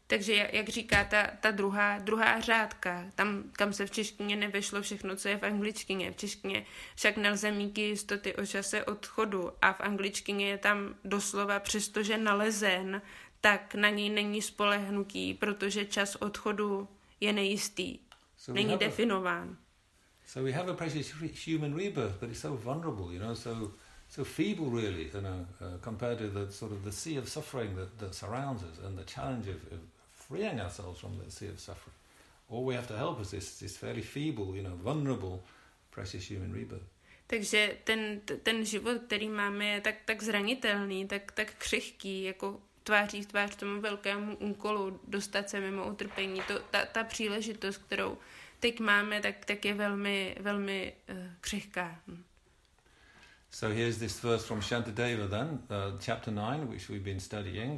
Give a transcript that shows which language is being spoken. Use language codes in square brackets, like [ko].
[cs] Takže jak říká ta druhá řádka, tam kam se v češtině nevešlo všechno, co je v angličtině. V češtině však nelze mít jistoty o čase odchodu a v angličtině je tam doslova, přestože nalezen, tak na něj není spolehnutí, protože čas odchodu je nejistý, není definován. [en] So we have a precious human rebirth, but it's so vulnerable, you know, so feeble, really, you know, compared to the sort of the sea of suffering that surrounds us and the challenge of freeing ourselves from that sea of suffering. All we have to help us is this fairly feeble, you know, vulnerable, precious human rebirth. [cs] Takže ten život, který máme, je tak zranitelný, tak křehký, jako tváří v tvář tomu velkému úkolu dostat se mimo utrpení. Ta příležitost, kterou teď máme, tak je velmi, velmi křehká. [en] So here's this verse from Shantideva then, chapter 9, which we've been studying.